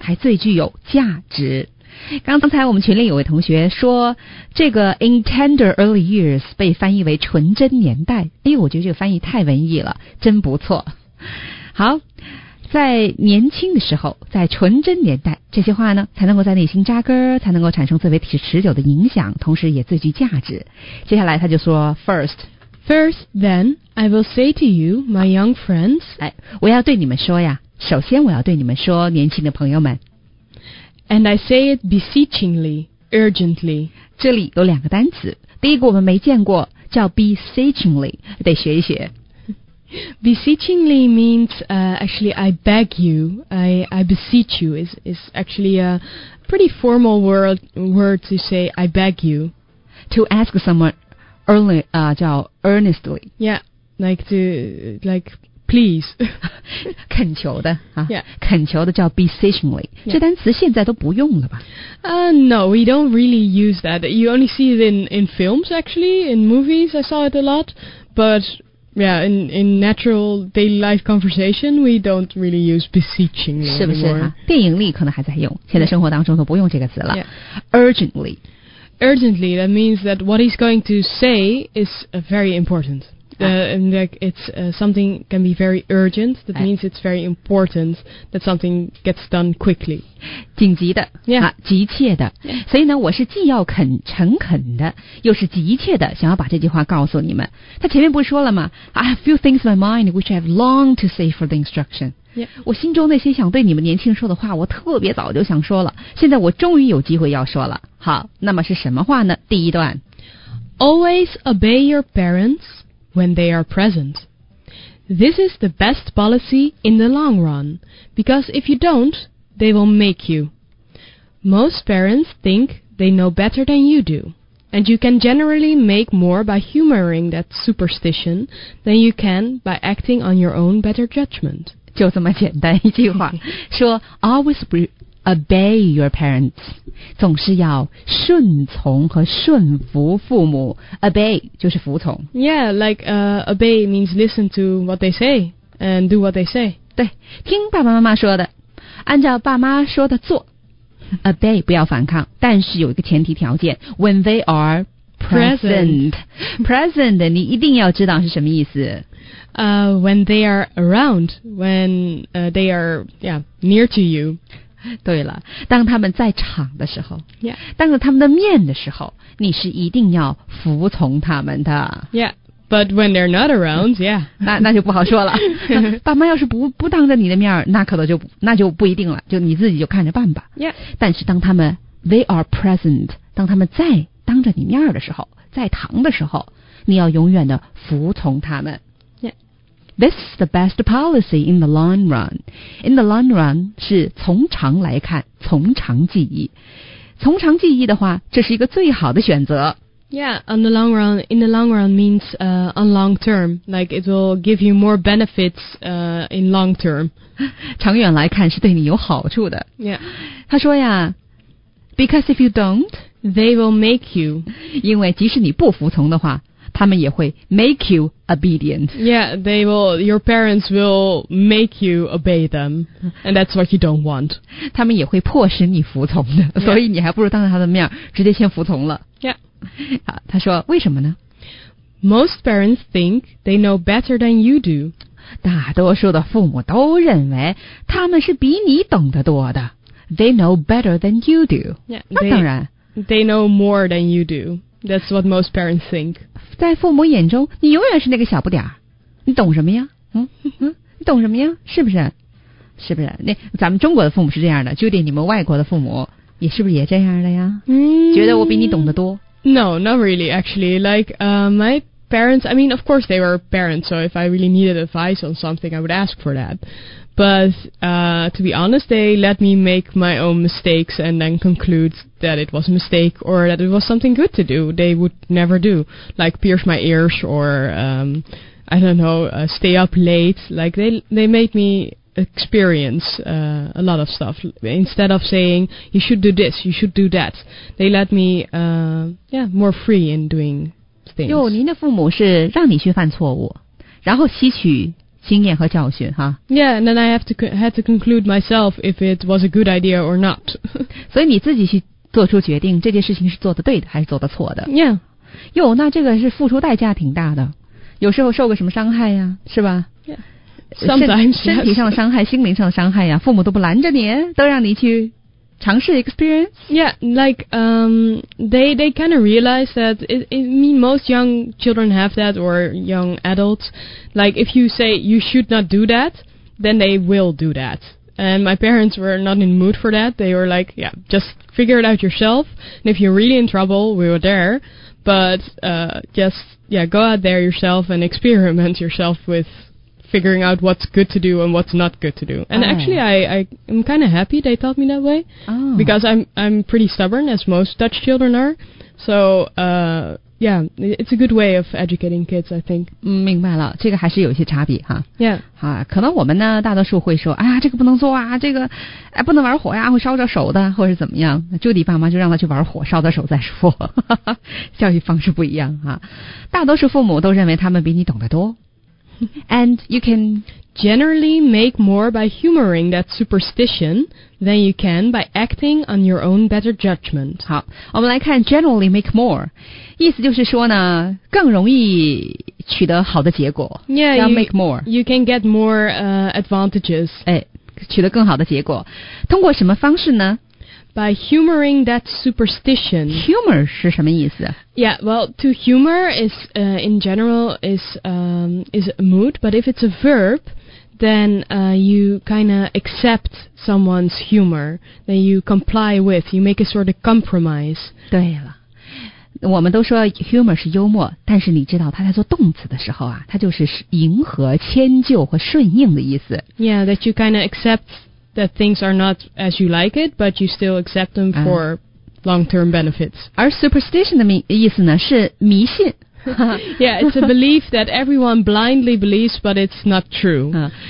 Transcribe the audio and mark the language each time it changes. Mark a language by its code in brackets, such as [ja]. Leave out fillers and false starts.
[zh] 还最具有价值。刚才我们群里有位同学说这个 [en] in tender early years [zh] 被翻译为纯真年代哎呦我觉得这个翻译太文艺了真不错好在年轻的时候在纯真年代这些话呢才能够在内心扎根才能够产生最为持久的影响同时也最具价值接下来他就说 [en] first First, then, I will say to you, my young friends. [zh] 哎，我要对你们说呀。首先，我要对你们说，年轻的朋友们。 [en] And I say it beseechingly, urgently. [zh] 这里有两个单词，第一个我们没见过，叫 beseechingly， 得学一学。 [en] Beseechingly means actually I beg you, I beseech you is actually a pretty formal word to say I beg you. To ask someone earnestly. Yeah, like please. [zh] 恳求的、 [en] yeah. [zh] 恳求的叫 beseechingly、yeah. 这单词现在都不用了吧、 [en] No, we don't really use that. You only see it in films actually, in movies I saw it a lot, butYeah, in natural daily life conversation, we don't really use beseeching anymore. [zh] 是不是、啊、电影里可能还在用，现在生活当中都不用这个词了。 [en] Yeah. Urgently. Urgently, that means that what he's going to say is very important.、And like it's something can be very urgent. That means it's very important that something gets done quickly. [zh] 紧急的、 [en] yeah. [zh] 啊、急切的、 [en] yeah. [zh] 所以呢我是既要肯诚恳的又是急切的想要把这句话告诉你们。他前面不是说了吗？ [en] I have few things in my mind which I have longed to say for the instruction、 yeah. [zh] 我心中那些想对你们年轻人说的话我特别早就想说了，现在我终于有机会要说了。好，那么是什么话呢？第一段， [en] Always obey your parentsWhen they are present. This is the best policy in the long run, because if you don't, they will make you. Most parents think they know better than you do, and you can generally make more by humoring that superstition than you can by acting on your own better judgment. [zh] 就这么简单一句话，说 [en] always obey your parents. [zh] 总是要顺从和顺服父母。 Obey 就是服从。 [en] Yeah, like obey means listen to what they say and do what they say. [zh] 对，听爸爸妈妈说的，按照爸妈说的做。 Obey 不要反抗，但是有一个前提条件， [en] When they are present. Present [zh] 你一定要知道是什么意思。 [en] When they are around, when they are yeah, near to you. [zh] 对了，当他们在场的时候、 [en] yeah. [zh] 当着他们的面的时候，你是一定要服从他们的。 [en] Yeah, but when they're not around, yeah. [zh] 那就不好说了。爸妈要是不当着你的面，那可能就那就不一定了，就你自己就看着办吧。 [en] Yeah. [zh] 但是当他们 [en] they are present, [zh] 当他们在当着你面的时候，在堂的时候，你要永远的服从他们。 [en] This is the best policy in the long run. In the long run [zh] 是从长来看，从长计议。从长计议的话，这是一个最好的选择。 [en] Yeah, on the long run, in the long run means on long term. Like it will give you more benefits in long term. [zh] 长远来看是对你有好处的。 [en] Yeah. [zh] 他说呀 , [en] because if you don't, they will make you. [zh] 因为即使你不服从的话，他们也会 [en] make you obedient. Yeah, they will, your parents will make you obey them. And that's what you don't want. [zh] 他们也会迫使你服从的、 [en] yeah. [zh] 所以你还不如当着他的面直接先服从了。 [en] Yeah. [zh] 好，他说为什么呢？ [en] Most parents think they know better than you do. [zh] 大多数的父母都认为他们是比你懂得多的。 [en] They know better than you do. Yeah, [zh] 那当然。 [en] They know more than you do. That's what most parents think. [zh] 在父母眼中，你永远是那个小不点儿，你懂什么呀？嗯嗯，你懂什么呀？是不是？是不是？那咱们中国的父母是这样的，就连你们外国的父母也是不是也这样的呀？嗯，觉得我比你懂得多 [en] ？No, not really. Actually, like my parents. I mean, of course, they were parents. So if I really needed advice on something, I would ask for that. But to be honest, they let me make my own mistakes and then conclude that it was a mistake or that it was something good to do. They would never do, like pierce my ears or, I don't know, stay up late. Like they made me experience a lot of stuff instead of saying, you should do this, you should do that. They let me, more free in doing things. [zh] 哟，您的父母是让你去犯错误，然后吸取经验和教训哈。 [en] Yeah, and then I have to had to conclude myself if it was a good idea or not. [zh] 所以你自己去做出决定，这件事情是做得对的还是做得错的。 [en] Yeah. [zh] 哟，那这个是付出代价挺大的，有时候受个什么伤害呀，是吧？ [en] Yeah. Sometimes, [zh] 身体上的伤害、 [en] yes. [zh] 心灵上的伤害呀，父母都不拦着你，都让你去尝试 experience? [en] Yeah, like, they kind of realize that, it mean, most young children have that, or young adults. Like, if you say, you should not do that, then they will do that. And my parents were not in the mood for that. They were like, yeah, just figure it out yourself. And if you're really in trouble, we were there. But just, yeah, go out there yourself and experiment yourself with figuring out what's good to do and what's not good to do. And actually, I am kind of happy they taught me that way. Oh. Because I'm pretty stubborn, as most Dutch children are. So, yeah, it's a good way of educating kids, I think. [zh] 明白了，这个还是有一些差别哈。 [en] Yeah. [zh] 好，可能我们呢，大多数会说，哎呀，这个不能做啊，这个，哎，不能玩火呀，会烧着手的，或者怎么样。 Judy 爸妈就让他去玩火，烧着手再说。教育方式不一样哈。大多数父母都认为他们比你懂得多。 [en] And you can generally make more by humoring that superstition than you can by acting on your own better judgment. [zh] 好，我们来看 [en] generally make more， [zh] 意思就是说呢，更容易取得好的结果。 [en] Yeah, you make more. You can get more advantages. [zh] 哎，取得更好的结果，通过什么方式呢？ [en] By humoring that superstition. [zh] Humor 是什么意思？ [en] Yeah, well, to humor is, in general, is a mood. But if it's a verb, then you kind of accept someone's humor. Then you comply with, you make a sort of compromise. [zh] 对了，我们都说 humor 是幽默，但是你知道它在做动词的时候啊，它就是迎合、迁就和顺应的意思。 [en] Yeah, that you kind of accept... that things are not as you like it, but you still accept them for long-term benefits. [zh] 而 superstition 的意思呢是迷信。 [en] Yeah, it's a belief that everyone blindly believes, but it's not true.